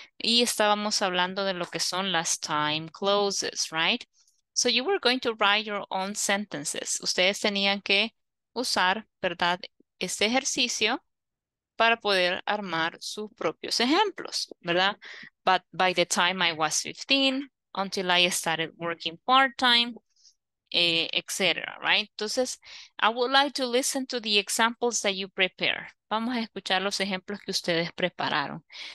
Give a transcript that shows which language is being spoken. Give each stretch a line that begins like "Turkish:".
Spanish: Y estábamos hablando de lo que son las time clauses, right?
English: So you were going to write your own sentences.
Spanish: Ustedes tenían que usar, ¿verdad?, este ejercicio para poder armar sus propios ejemplos, ¿verdad?
English: But by the time I was 15, until I started working part-time, etc., right? Entonces, I would like to listen to the examples that you prepare.
Spanish: Vamos a escuchar los ejemplos que ustedes prepararon.